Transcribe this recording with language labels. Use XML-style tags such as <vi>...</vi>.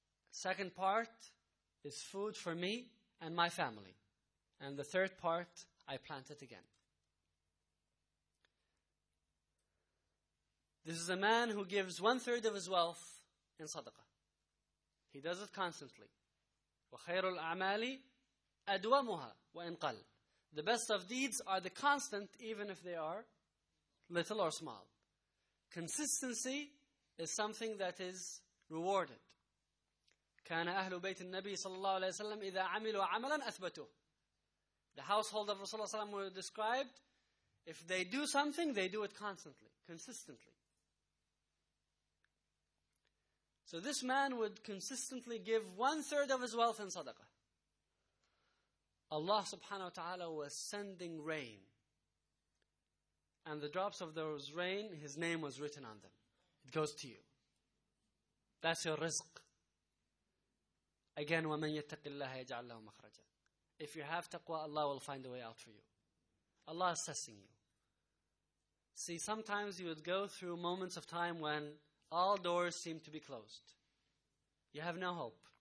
<en>Second part is food for me and my family. And the third part, I plant it again. This is a man who gives one third of his wealth in sadaqah. He does it constantly.</en> <ar>وخير الأعمال أدومها وإن قل.</ar> <en>The best of deeds are the constant, even if they are little or small. Consistency is something that is rewarded.</en> <ar>كان أهل بيت النبي صلى الله عليه وسلم إذا عملوا عملا أثبتوا.</ar> <en>The household of Rasulullah</en> <ar>صلى الله عليه وسلم</ar> <en>described, if they do something, they do it constantly, consistently. So this man would consistently give one third of his wealth in sadaqah. Allah subhanahu wa ta'ala was sending rain. And the drops of those rain, his name was written on them. It goes to you. That's your rizq.</en> <ar>Again, وَمَنْ يَتَّقِ اللَّهَ يَجْعَلْ لَهُ مَخْرَجًا.</ar> <en>If you have taqwa, Allah will find a way out for you. Allah is testing you. See, sometimes you would go through moments of time when all doors seem to be closed. You have no hope.</en>